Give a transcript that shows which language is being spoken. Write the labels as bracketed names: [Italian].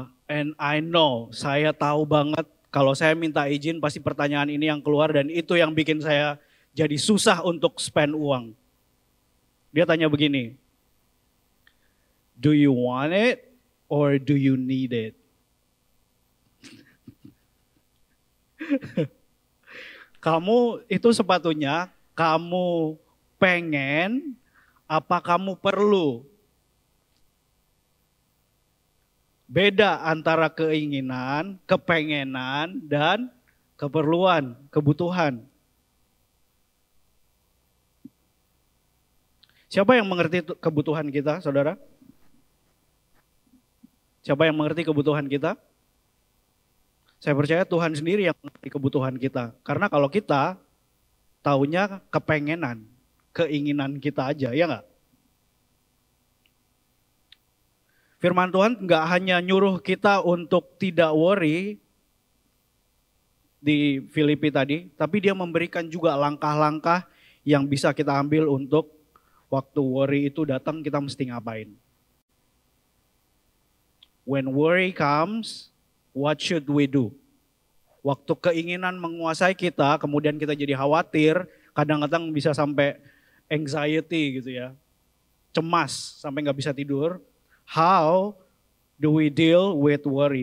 [English] And I know, [Indonesian] saya tahu banget kalau saya minta izin pasti pertanyaan ini yang keluar dan itu yang bikin saya jadi susah untuk spend uang. Dia tanya begini, [English] do you want it or do you need it? [Indonesian] Kamu itu sepatunya, kamu pengen apa kamu perlu? Beda antara keinginan, kepengenan, dan keperluan, kebutuhan. Siapa yang mengerti kebutuhan kita, saudara? Siapa yang mengerti kebutuhan kita? Saya percaya Tuhan sendiri yang mengerti kebutuhan kita. Karena kalau kita taunya kepengenan, keinginan kita aja, ya enggak? Firman Tuhan enggak hanya nyuruh kita untuk tidak worry di Filipi tadi, tapi dia memberikan juga langkah-langkah yang bisa kita ambil untuk waktu worry itu datang, kita mesti ngapain. [English] When worry comes, what should we do? [Indonesian] Waktu keinginan menguasai kita, kemudian kita jadi khawatir, kadang-kadang bisa sampai anxiety gitu ya, cemas sampai gak bisa tidur. [English] How do we deal with worry?